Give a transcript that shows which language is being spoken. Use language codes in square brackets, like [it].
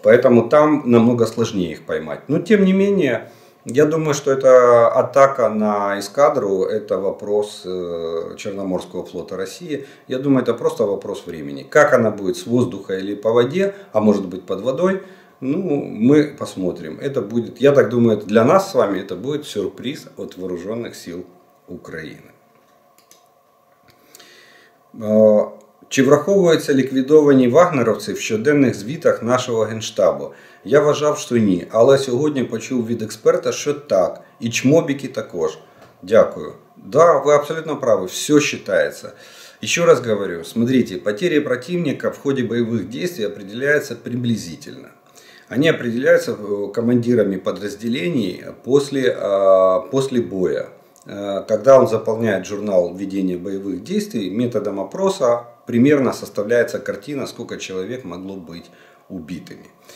[ru] Поэтому там намного сложнее их поймать. Но тем не менее, я думаю, что эта атака на эскадру, это вопрос Черноморского флота России. Я думаю, это просто вопрос времени. Как она будет, с воздуха или по воде, а может быть под водой, ну, мы посмотрим. Это будет, я так думаю, для нас с вами это будет сюрприз от вооруженных сил Украины. [uk] Чи враховуються ліквідовані вагнеровці в щоденних звітах нашого генштабу? Я вважав, що ні, але сьогодні почув від експерта, що так, і чмобіки також. Дякую. [ru] Да, [uk] ви абсолютно праві, все вважається. [ru] Еще раз говорю, смотрите, потери противника [uk] в ході бойових дій [ru] определяються приблизительно. Они определяются командирами подразделений после боя. Когда он заполняет журнал ведения боевых действий, методом опроса примерно составляется картина, сколько человек могло быть убитыми.